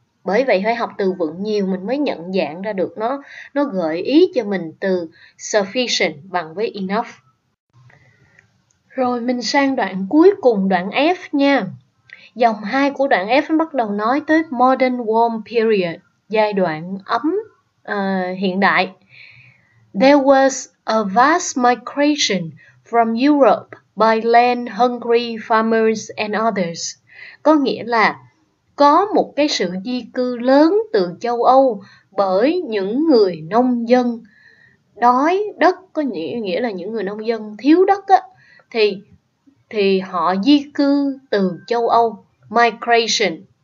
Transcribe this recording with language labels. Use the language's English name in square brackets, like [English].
[Vietnamese] Bởi vậy phải học từ vựng nhiều mình mới nhận dạng ra được nó. Nó gợi ý cho mình từ sufficient bằng với enough. Rồi mình sang đoạn cuối cùng, đoạn F nha. Dòng 2 của đoạn F bắt đầu nói tới [English] modern warm period, [Vietnamese] giai đoạn ấm hiện đại. [English] There was a vast migration from Europe by land-hungry farmers and others. [Vietnamese] Có nghĩa là có một cái sự di cư lớn từ châu Âu bởi những người nông dân đói đất, có nghĩa là những người nông dân thiếu đất á, thì họ di cư từ châu Âu, migration.